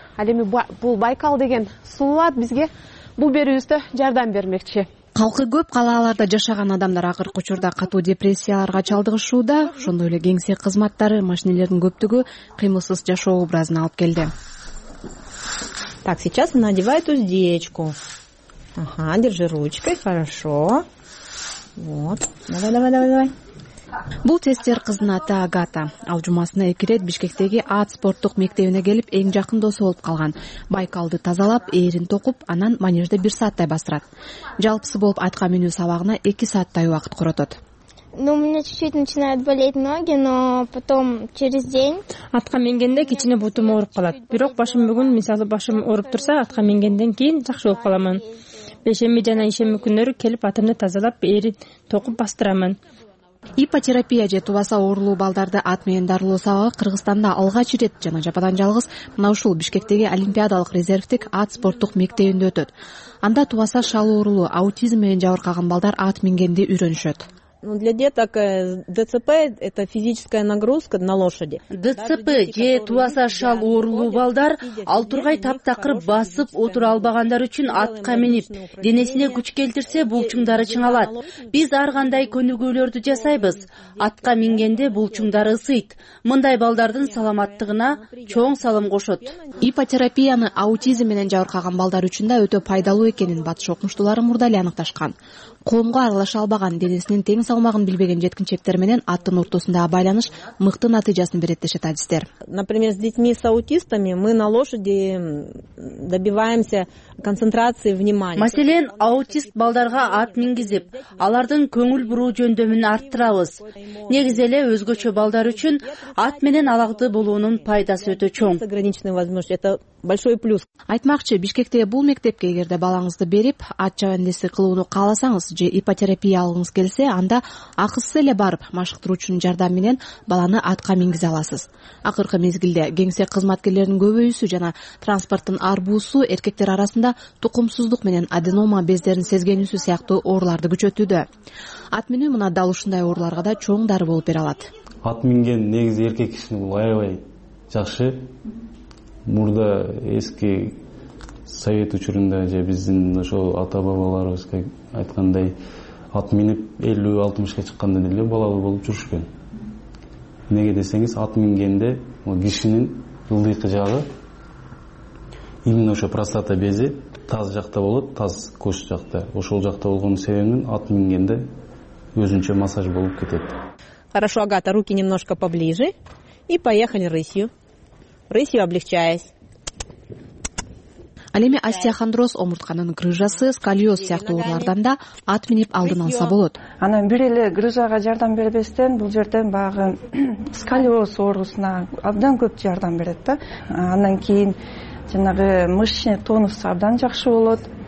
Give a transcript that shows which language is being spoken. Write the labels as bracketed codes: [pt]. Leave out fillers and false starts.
[ky] Ал эми бул Байкал деген сулуу ат бизге бул берүүбүздө жардам бермекчи. Калкы көп калааларда жашаган адамдар акыркы учурда катуу депрессияларга чалдыгышууда. Ошондой эле кеңсе кызматтары, машинелердин көптүгү кыймылсыз жашоо образына алып келди. [ru] Так, сейчас надевает уздечку. Ага, держи ручкой, хорошо. Вот, давай. [ky] Бул тестер кыздын аты Агата. Ал жумасына 2 рет Бишкектеги ат спорттук мектебине келип, эң жакын досу болуп калган. Байкалды тазалап, ээрин токуп, анан манежде 1 сааттай бастырат. Жалпысы болуп атка минүү сабагына 2 сааттай убакыт коротот. [ru] Ну, у меня чуть-чуть начинают болеть ноги, но потом через день. [ky] Атка мингенде кичине бутум ооруп калат. Бирок башым бүгүн, мисалы, башым ооруп турса, атка мингенден кийин жакшы болуп каламын. Бешемби жана ишемби күндөрү келип атымды тазалап, ээрин токуп бастырамын. Иппотерапия же тубаса оорулуу балдарды ат менен дарылоо сабагы Кыргызстанда алгач ирет жана жападан жалгыз мына ушул Бишкектеги олимпиадалык резервтик ат спорттук мектебинде өтөт. Анда тубаса шал оорулуу, аутизм менен жабыркаган балдар ат мингенди үйрөнүшөт. [ru] Ну, для деток ДЦП это физическая нагрузка на лошади. [ky] ДЦП же тубаса шал оорулуу балдар ал тургай таптакыр басып отура албагандар үчүн атка минип, денесине күч келтирсе булчуңдары чыңалат. Биз ар кандай көнүгүүлөрдү жасайбыз. Атка мингенде булчуңдары ысыйт. Мындай балдардын саламаттыгына чоң салым кошот. Иппотерапияны аутизм менен жабыркаган балдар үчүн да өтө пайдалуу экенин батыш окумуштуулары мурдали аныкташкан. Коомго аралаша албаган, денесинин тең салмагын билбеген жеткинчектер менен аттын ортосундагы байланыш мыкты натыйжасын берет дешет адистер. [ru] Например, с детьми с аутистами мы на лошади добиваемся концентрации внимания. [ky] Маселен, аутист балдарга ат мингизип, алардын көңүл буруу жөндөмүн арттырабыз. Негизи эле өзгөчө балдар үчүн ат менен алагыты болуунун пайдасы өтө чоң. [ru] Ограниченная возможность это большой плюс. [ky] Айтмакчы, Бишкектеги бул мектепке эгерде балаңызды берип, ат жабандысы кылууну кааласаңыз же иппотерапия алгыңыз келсе, анда акысыз эле барып, машыктыруучунун жардамы менен баланы атка мингизе аласыз. Акыркы мезгилде кеңсе кызматкерлеринин көбөйүүсү жана транспорттун арбуусу эркектер арасында тукумсуздук менен аденома бездеринин сезгенүүсү сыяктуу ооруларды күчөтүүдө. Ат минүү мына дал ушундай ооруларга да чоң дары болуп бере алат. Ат минген негизи эркек кишинин аябай жакшы. Мурда эски совет учурунда же биздин ошол ата бабаларыбыз айткандай ат минип 50-60 чыккандан эле балалуу болуп жүрүшкөн. Эмнеге десеңиз, ат мингенде кишинин ылдыйкы жагы именно ошо простата бези таз жакта болот, таз көш жакта. Ошол жакта болгон себебинен ат мингенде өзүнчө массаж болуп кетет. [ru] Хорошо, Агата, руки немножко поближе и поехали рысью. Рысью облегчаясь. [ky] Алеми остеохондроз омуртканын грыжасы, сколиоз сыяктуу оорулардан да ат минип алдыналса болот. Анан бир эле грыжага жардам бербестен, бул жерден баягы сколиоз оорусуна абдан көп жардам берет да. Андан кийин жанагы [ru] мышечный тонус [ky] абдан жакшы болот.